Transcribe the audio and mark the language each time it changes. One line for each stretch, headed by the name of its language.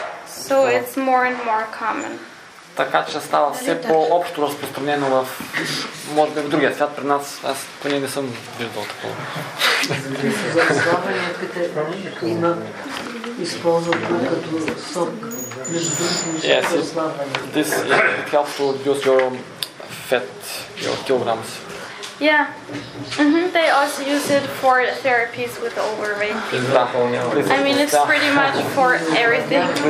English: So it's more and more common.
Bulgarian: Така че става все по-общо разпространено в, може би, в другия свят при нас. Аз поне не съм виждал такова. За слабенията има използват като сок. Между другото, между другото, това помага да
English: reduce your fat, your kilograms. Yeah. Mm-hmm. They also use it for therapies with overweight people. I mean, it's pretty much for everything.